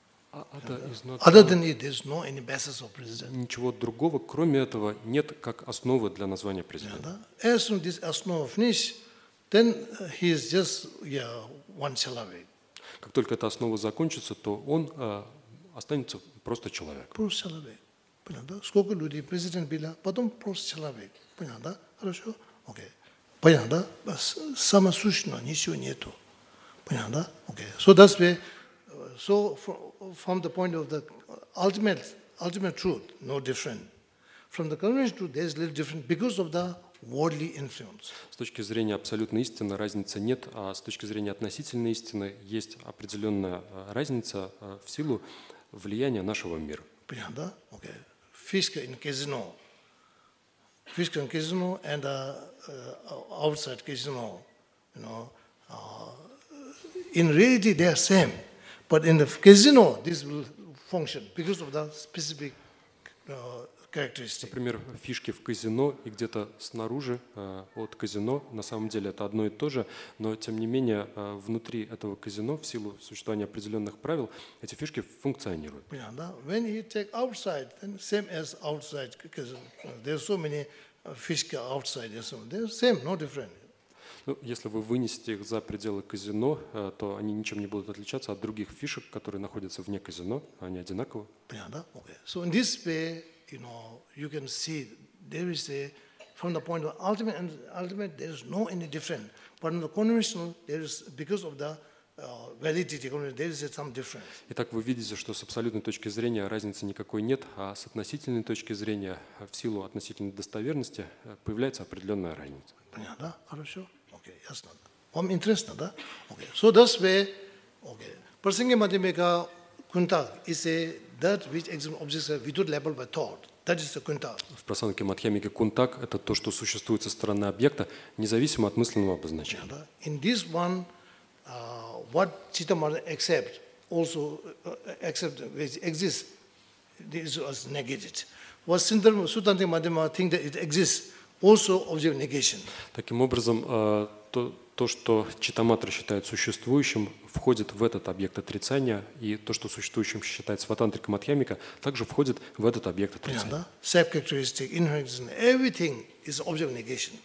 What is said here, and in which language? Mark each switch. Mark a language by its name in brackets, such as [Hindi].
[English] Other than it, there's no any basis of president. [Russian] Ничего другого, кроме этого, нет как основы для названия президента. [English] As soon as this основа finished, then he is just yeah, one человек. [Russian] Как только эта основа закончится, то он останется просто человек. Просто человек. Понятно, да? Сколько людей президент было, потом просто человек. Понятно, да? Хорошо? Окей. Понятно, да? Самосущно, ничего нету. Понятно, да? Окей. [English] So that's why, so from the point of the ultimate truth, no different. From the conventional truth, there's a little different because of the worldly influence. [Russian] С точки зрения абсолютной истины разницы нет, а с точки зрения относительной истины есть определенная разница в силу влияния нашего мира. Понятно, да? Окей. [English] Fisca in casino, Fisca in casino and outside casino, you know, in reality they are same, but in the casino this will function because of the specific characteristic. [Russian] Например, фишки в казино и где-то снаружи от казино, на самом деле это одно и то же, но тем не менее внутри этого казино, в силу существования определенных правил, эти фишки функционируют. Понятно, да? [English] When you take outside, then same as outside, because there's so many фишки outside, they're same, no different. [Russian] Ну, если вы вынесете их за пределы казино, то они ничем не будут отличаться от других фишек, которые находятся вне казино, они одинаковы. Понятно, да? Okay. [English] So in this way, you know, you can see there is a from the point of ultimate there is no any different. But in the conventional, there is because of the validity, there is some difference. [Russian] Итак, вы видите, что с абсолютной точки зрения разницы никакой нет, а с относительной точки зрения, в силу относительной достоверности, появляется определенная разница. Понятно, да? Хорошо. Окей, ясно. Вам интересно, да? Окей. [English] So that's where, okay. Prasanga Madhyamika Kuntak is a that which exists objects without label by thought. That is the kuntak. [Russian] В прасанке Мадхьямики кунтак это то, что существует со стороны объекта, независимо от мысленного обозначения. Yeah, да? [English] In this one, what Chittamata accept also accept which exists, this was negated. What Sutanti Madhyamika think that it exists also object negation. [Russian] Таким образом, то То, что читаматра считает существующим, входит в этот объект отрицания, и то, что существующим считается ватантрика матхьямика, также входит в этот объект отрицания. [English] Self-characteristic, inherent, everything is object negation.